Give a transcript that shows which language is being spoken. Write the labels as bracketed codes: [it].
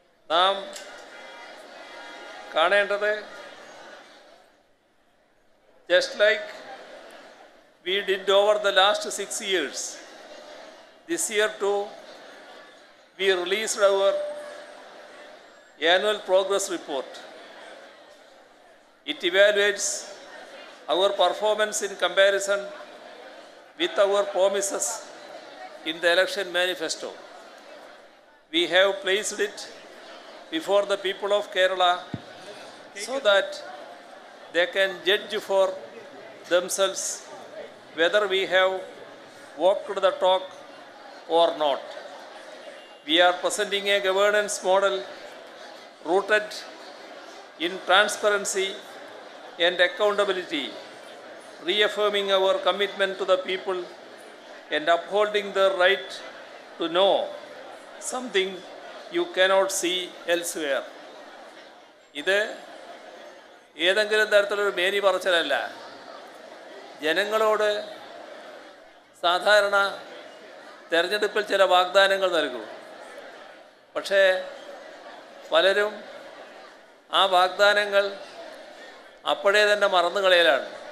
[ml] നാം കാണേണ്ടത് [en] Just like we did over the last 6 years, this year too we released our annual progress report. It evaluates our performance in comparison with our promises in the election manifesto. We have placed it before the people of Kerala so that they can judge for themselves whether we have walked the talk or not. We are presenting a governance model rooted in transparency and accountability, reaffirming our commitment to the people and upholding their right to know something you cannot see elsewhere. [ml] ഇത് ഏതെങ്കിലും തരത്തിലൊരു മേനി പറച്ചിലല്ല. ജനങ്ങളോട് സാധാരണ തിരഞ്ഞെടുപ്പിൽ ചില വാഗ്ദാനങ്ങൾ നൽകും. പക്ഷേ പലരും ആ വാഗ്ദാനങ്ങൾ അപ്പോഴേ തന്നെ മറന്നുകളയലാണ്.